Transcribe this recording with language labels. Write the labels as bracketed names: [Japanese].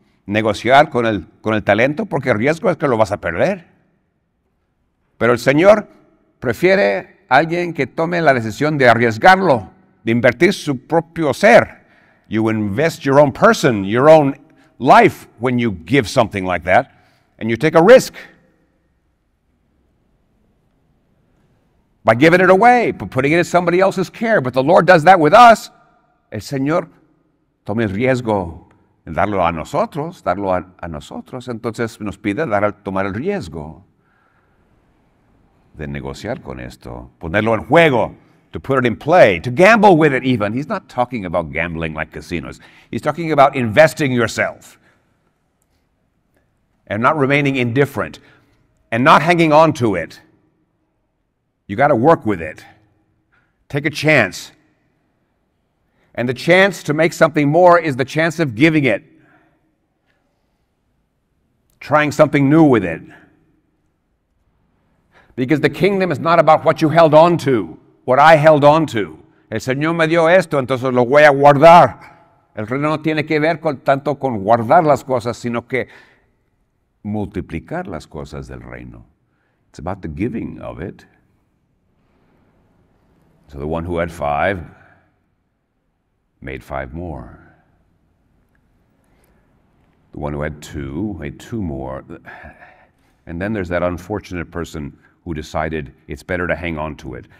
[Spanish] Negociar con el talento, porque el riesgo es que lo vas a perder. Pero el Señor prefiere alguien que tome la decisión de arriesgarlo, de invertir su propio ser. [English] You invest your own person, your own life, when you give something like that, and you take a risk by giving it away, by putting it in somebody else's care. But the Lord does that with us. [Spanish] El Señor toma el riesgo en darlo a nosotros. Entonces nos pide tomar el riesgo de negociar con esto, ponerlo en juego, [English] to put it in play, to gamble with it even. He's not talking about gambling like casinos. He's talking about investing yourself and not remaining indifferent and not hanging on to it. You got to work with it. Take a chance. And the chance to make something more is the chance of giving it, trying something new with it. Because the kingdom is not about what you held on to, what I held on to. [Spanish] El Señor me dio esto, entonces lo voy a guardar. El reino no tiene que ver tanto con guardar las cosas, sino que multiplicar las cosas del reino. [English] It's about the giving of it. So the one who had five made five more. The one who had two made two more. And then there's that unfortunate person who decided it's better to hang on to it.